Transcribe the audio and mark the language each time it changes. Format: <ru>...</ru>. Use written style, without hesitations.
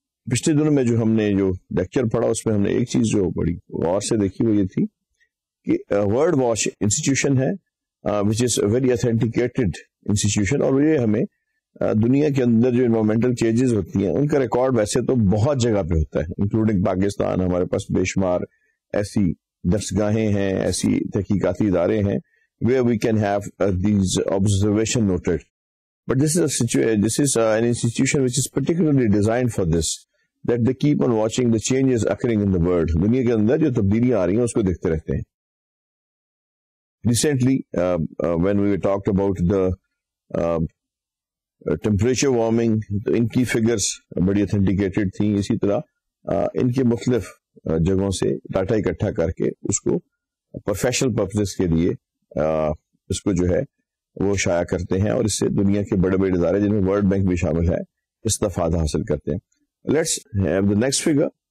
<ur>پچھلے دنوں میں جو ہم نے جو لیکچر پڑھا اس میں ہم نے ایک چیز جو بڑی غور سے دیکھی وہ یہ تھی کہ ورلڈ واچ انسٹیٹیوشن ہے</ur> <en>which is very authenticated institution</en> <ur>اور یہ ہمیں دنیا کے اندر جو انوائرمنٹل چینجز ہوتی ہیں ان کا ریکارڈ ویسے تو بہت جگہ پہ ہوتا ہے انکلوڈنگ پاکستان ہمارے پاس بے شمار ایسی درسگاہیں ہیں ایسی تحقیقاتی ادارے ہیں</ur> <en>where we can have these observation noted. But this is an institution which is particularly designed for this, that they keep on watching the changes occurring in the world.</en> <ur>دنیا کے اندر جو تبدیلیاں آ رہی ہیں اس کو دیکھتے رہتے ہیں.</ur> <en>Recently, when we talked about the temperature warming,</en> <ur>ان کی figures بڑی authenticated تھیں اسی طرح ان کے مختلف جگہوں سے ڈاٹا اکٹھا کر کے اس کو professional purposes کے لیے اس کو جو ہے وہ شائع کرتے ہیں اور اس سے دنیا کے بڑے بڑے ادارے جن میں ورلڈ بینک بھی شامل ہے استفادہ حاصل کرتے ہیں</ur> <en>let's have the next figure</en>